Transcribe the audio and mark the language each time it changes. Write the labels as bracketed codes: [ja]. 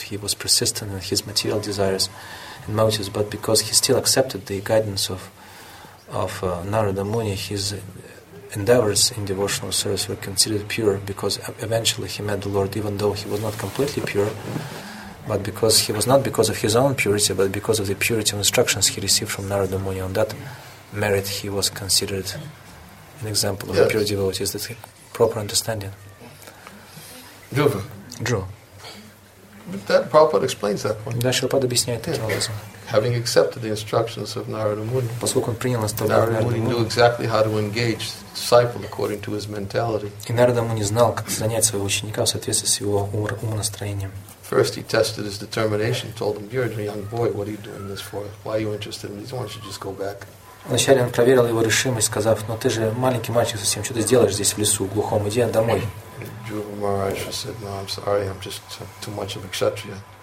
[en] He was persistent in his material desires and motives, but because he still accepted the guidance of Narada Muni, his endeavors in devotional service were considered pure, because eventually he met the Lord, even though he was not completely pure. But because he was not because of his own purity, but because of the purity of instructions he received from Narada Muni, on that merit he was considered an example of a pure devotee. Is that a proper understanding? Dhruva. Dhruva. That Prabhupada explains that point. [ru] Да, Шилпада объясняет таким образом. [en] Having accepted the instructions of Narada Muni, [ru] поскольку он принял наставление [en] Narada Muni, knew exactly how to engage disciple according to his mentality. [ru] И Нарада Муни знал, как занять своего ученика в соответствии с его умонастроением. [en] First he tested his determination, told him, you're a young boy, what are you doing this for? Why are you interested in this? Why don't you just go back? [ru] Вначале он проверил его решимость, сказав, но ты же маленький мальчик совсем, что ты сделаешь здесь в лесу, глухом, иди домой. [en] Druva Maharaj said, no, I'm sorry, I'm just too much of a kshatriya.